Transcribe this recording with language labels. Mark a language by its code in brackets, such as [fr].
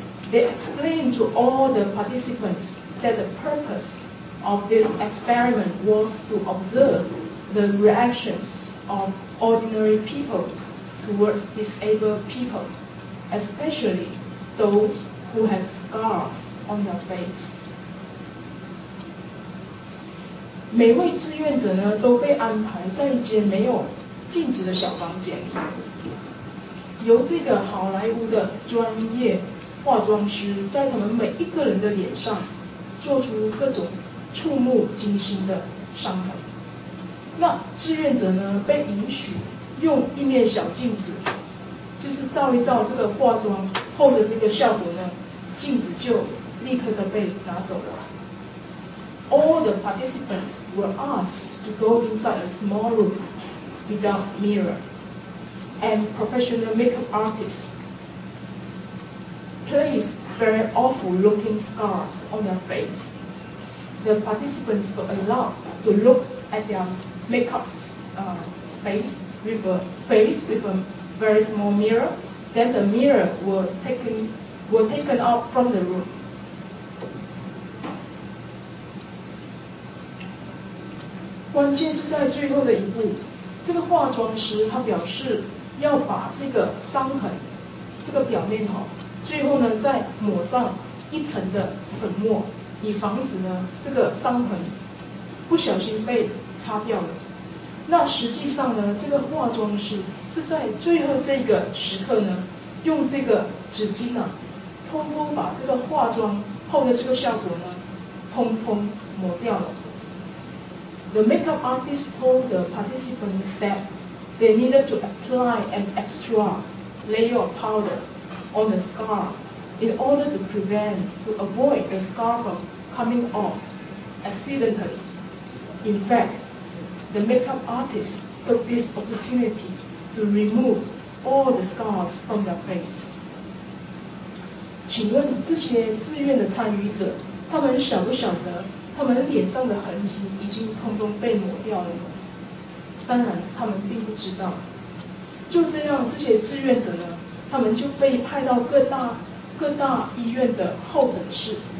[en] They explained to all the participants that the purpose of this experiment was to observe the reactions of ordinary people towards disabled people, especially those who have scars on their face. [zh] 每位志愿者呢，都被安排在一间没有镜子的小房间，由这个好莱坞的专业化妆师在他们每一个人的脸上做出各种触目惊心的伤痕。那志愿者呢，被允许用一面小镜子，就是照一照这个化妆后的这个效果呢，镜子就立刻的被拿走了。 [en] All the participants were asked to go inside a small room without mirror, and professional makeup artists placed very awful looking scars on their face. The participants were allowed to look at their makeup face with a face with a very small mirror. Then the mirror were taken out from the room. [zh] 关键是在最后的一步，这个化妆师他表示要把这个伤痕这个表面最后呢再抹上一层的粉末，以防止呢这个伤痕不小心被擦掉了。那实际上呢，这个化妆师是在最后这个时刻呢，用这个纸巾啊，通通把这个化妆后的这个效果呢，通通抹掉了。 [en] The makeup artist told the participants that they needed to apply an extra layer of powder on the scar in order to avoid the scar from coming off accidentally. In fact, the makeup artist took this opportunity to remove all the scars from their face. [zh] 请问这些志愿的参与者，他们晓不晓得他们脸上的痕迹已经通通被抹掉了？当然他们并不知道。就这样，这些志愿者呢，他们就被派到各大医院的候诊室。